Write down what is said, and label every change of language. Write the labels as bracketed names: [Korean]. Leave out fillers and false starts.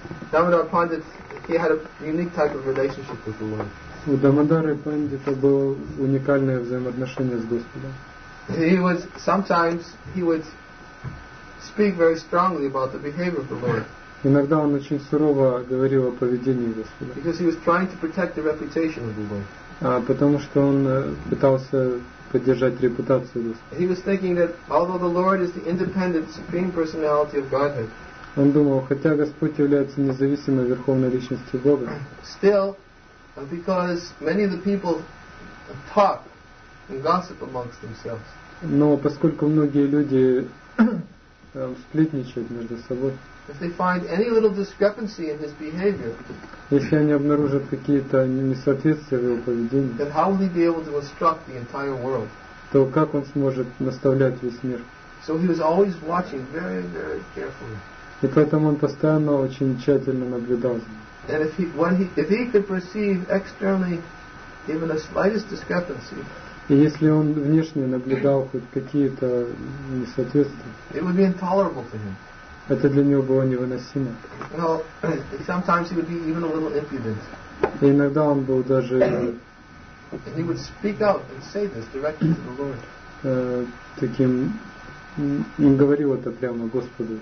[English] Damodar Pandit, he had a unique type of relationship with the Lord. [Russian] У Дамодары Пандита было уникальное взаимоотношение с Господом. [English] Sometimes he would speak very strongly about the behavior of the Lord. [Russian] Иногда он очень сурово говорил о поведении Господа. [English] Because he was trying to protect the reputation of the Lord. [Russian] Потому что он пытался поддержать репутацию Господа. [English] He was thinking that although the Lord is the independent supreme personality of Godhead. [Russian] Он думал, хотя Господь является независимой верховной личностью Бога. [English] Still, because many of the people talk and gossip amongst themselves. [Russian] Но поскольку многие люди сплетничают между собой. [English] If they find any little discrepancy in his behavior. [Russian] Если они обнаружат какие-то несоответствия в его поведении. [English] Then how will he be able to instruct the entire world? [Russian] То как он сможет наставлять весь мир? [English] So he was always watching very, very carefully. [Russian] И поэтому он постоянно очень тщательно наблюдал. [English] And if he could perceive externally even the slightest discrepancy. [Russian] И если он внешне наблюдал хоть какие-то несоответствия. [English] It would be intolerable to him. [Russian] Это для него было невыносимо. [English] Well, sometimes he would be even a little impudent. [Russian] И иногда он был даже. [English] And he would speak out and say this directly to the Lord. [Russian] Таким. Он говорил это прямо Господу.